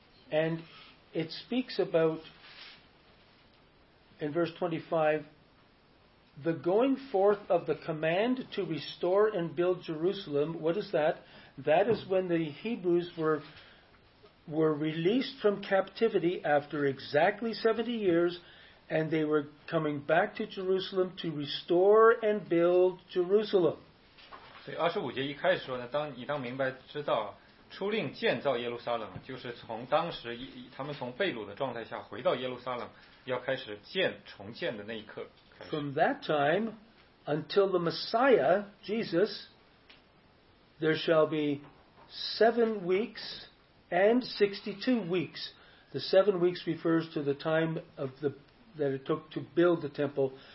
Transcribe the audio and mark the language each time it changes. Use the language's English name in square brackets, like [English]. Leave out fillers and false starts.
[English] And it speaks about, in verse 25, the going forth of the command to restore and build Jerusalem. What is that? That is when the Hebrews were released from captivity after exactly 70 years, and they were coming back to Jerusalem to restore and build Jerusalem. [Chinese] 所以二十五节一开始说呢，当你当明白知道出令建造耶路撒冷，就是从当时他们从被掳的状态下回到耶路撒冷，要开始重建的那一刻。 [English] From that time until the Messiah, Jesus, there shall be 7 weeks and 62 weeks. The 7 weeks refers to the time that it took to build the temple.